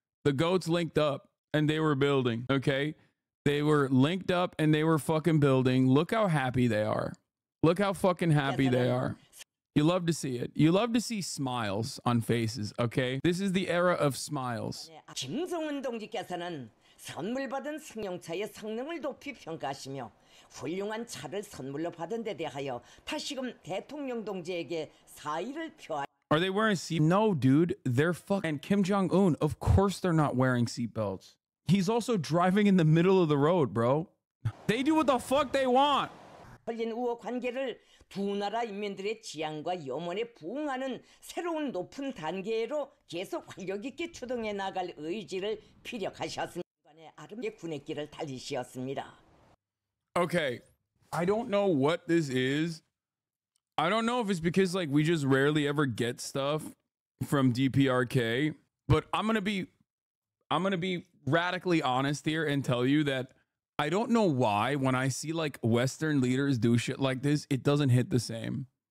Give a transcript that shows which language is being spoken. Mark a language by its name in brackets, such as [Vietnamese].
[English] The GOATs linked up and they were building, okay? They were linked up and they were fucking building. Look how happy they are. Look how fucking happy they are. You love to see it. You love to see smiles on faces, okay? This is the era of smiles. [Korean] 김성은 동지께서는 선물 받은 승용차의 성능을 높이 평가하시며 훌륭한 차를 선물로 받은 데 대하여 다시금 대통령 동지에게 사의를 표하. [English] Are they wearing seatbelts? No, dude. They're fucking Kim Jong-un. Of course they're not wearing seatbelts. He's also driving in the middle of the road, bro. They do what the fuck they want. [Korean] 걸린 우호 관계를 두 나라 인민들의 지향과 염원에 부응하는 새로운 높은 단계로 계속 활력 있게 추동해 나갈 의지를 피력하셨습니다. 아름다운 군의 길을 달리시었습니다. [English] Okay. I don't know what this is. I don't know if it's because, like, we just rarely ever get stuff from DPRK, but I'm gonna be radically honest here and tell you that I don't know why when I see, like, Western leaders do shit like this, it doesn't hit the same.